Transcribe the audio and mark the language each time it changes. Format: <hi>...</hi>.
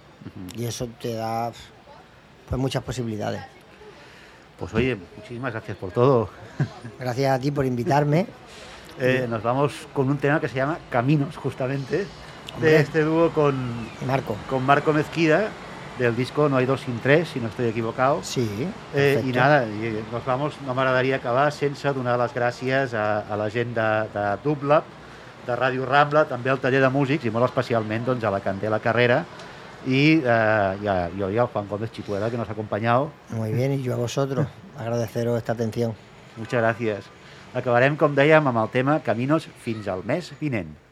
<es>Uh-huh. Y eso te da, pues, muchas posibilidades. Pues oye, muchísimas gracias por todo. Gracias a ti por invitarme. Nos vamos con un tema que se llama Caminos, justamente. Hombre, de este dúo con Marco. Con Marco Mezquida, del disco No hay dos sin tres, si no estoy equivocado. Sí. Y nada, nos vamos,</es> <ca>no m'agradaria acabar sense donar les gràcies a la gent de Dublab, de Ràdio Rambla, també al taller de músics, i molt especialment, doncs, a la Candela Carrera, i al Juan Gómez Chicuela,</ca> <es>que nos ha acompanyado. Muy bien, y yo a vosotros, agradeceros esta atención. Muchas gracias.</es> <ca>Acabarem, com dèiem, amb el tema Caminos fins al mes vinent.</ca>